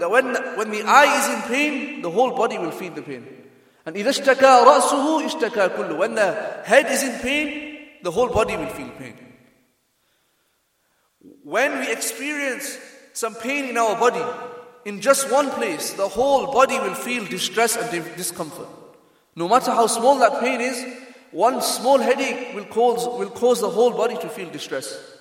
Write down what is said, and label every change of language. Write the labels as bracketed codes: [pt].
[en] That when the eye is in pain, the whole body will feel the pain. [ar] And إِذَا اشْتَكَى رَأْسُهُ اشْتَكَى كُلُّهُ. [en] When the head is in pain, the whole body will feel pain. When we experience some pain in our body, in just one place, the whole body will feel distress and discomfort. No matter how small that pain is, one small headache will cause the whole body to feel distress.